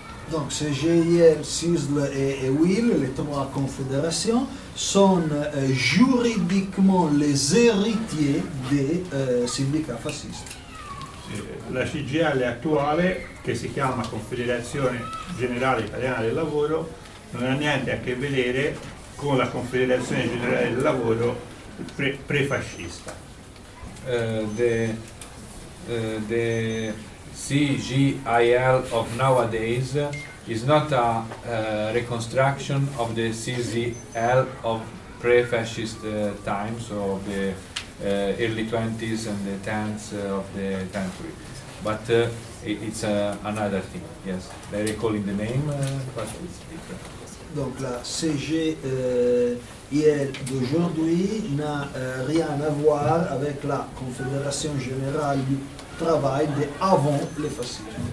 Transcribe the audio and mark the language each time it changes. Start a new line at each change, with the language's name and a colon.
French: Donc CGIL, CISL et UIL, les trois confédérations, sont juridiquement les héritiers des syndicats fascistes.
Italian: La CGIL attuale, che si chiama Confederazione Generale Italiana del Lavoro, non ha niente a che vedere con la Confederazione Generale del Lavoro prefascista.
English: The CGIL of nowadays is not a reconstruction of the CGIL of pre-fascist times, so of the early 20s and the 10s of the century. But it's another thing, yes. They recall in the name, but it's different.
French: Donc la CGIL d'aujourd'hui n'a rien à voir avec la Confédération Générale du Travail d'avant les fascismes.